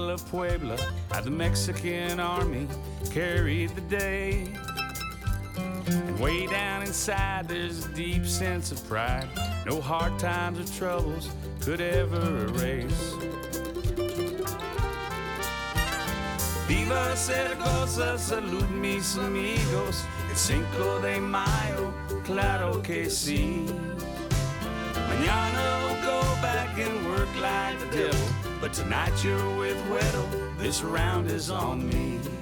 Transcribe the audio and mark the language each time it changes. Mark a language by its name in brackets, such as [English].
[English] Puebla, how the Mexican army carried the day. And way down inside there's a deep sense of pride. No hard times or troubles could ever erase. [Spanish] Viva Zaragoza, salud mis amigos, el Cinco de Mayo, claro que sí. [English] Mañana we'll go back and work like the devil, but tonight you're with Weddle, this round is on me.